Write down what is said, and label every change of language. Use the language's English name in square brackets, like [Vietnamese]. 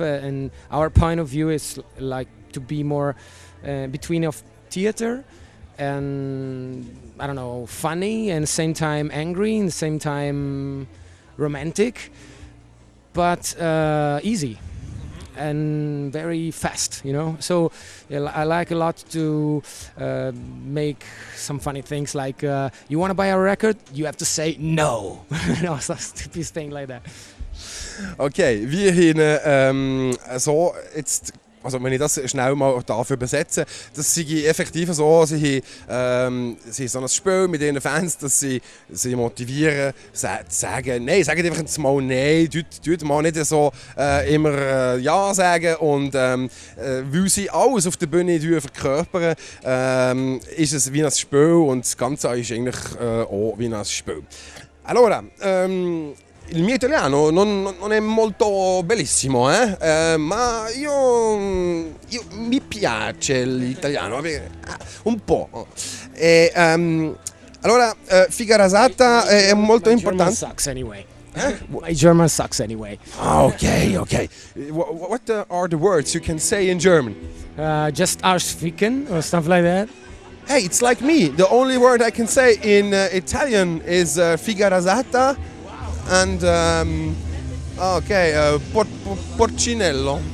[English] And our point of view is like to be more between of theater and, I don't know, funny, and same time angry, and same time romantic, but easy and very fast, you know? So I like a lot to make some funny things like, you want to buy a record? You have to say no. No, it's a stupid thing like that. [German] Okay, wir haben so jetzt. Also wenn ich das schnell mal dafür übersetze, das sei effektiv so, sie haben so ein Spiel mit ihren Fans, dass sie motivieren, sagen, nein, sagen einfach mal nein, tut mal nicht so immer ja sagen und weil sie alles auf der Bühne verkörpern, ist es wie ein Spiel und das Ganze ist eigentlich auch wie ein Spiel. [Italian] Allora, il mio italiano non è molto bellissimo, ma io mi piace l'italiano, un po'. E, allora, figa rasata è molto importante. [English] My German sucks anyway. My German sucks anyway. Okay. What are the words you can say in German? Just [German] Arsch ficken [English] or stuff like that. Hey, it's like me. The only word I can say in Italian is [Italian] figa rasata. [English] And porcinello.